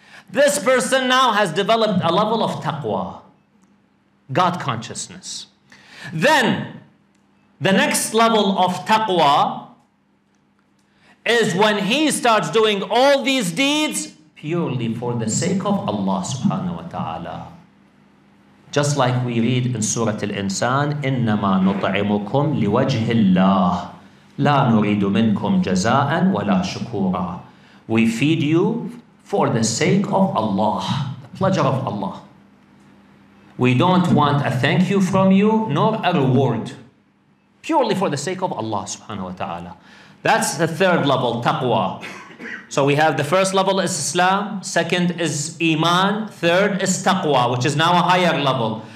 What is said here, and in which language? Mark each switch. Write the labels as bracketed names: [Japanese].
[English] This person now has developed a level of taqwa, God consciousness. Then, the next level of taqwa is when he starts doing all these deeds purely for the sake of Allah subhanahu wa ta'ala. Just like we read in Surah Al-Insan, [Arabic] إِنَّمَا نُطْعِمُكُمْ لِوَجْهِ اللَّهِ لَا نُرِيدُ مِنْكُمْ جَزَاءً وَلَا شُكُورًا. [English] We feed you for the sake of Allah, the pleasure of Allah. We don't want a thank you from you, nor a reward. Purely for the sake of Allah subhanahu wa ta'ala. That's the third level, taqwa. So we have the first level is Islam, second is Iman, third is Taqwa, which is now a higher level.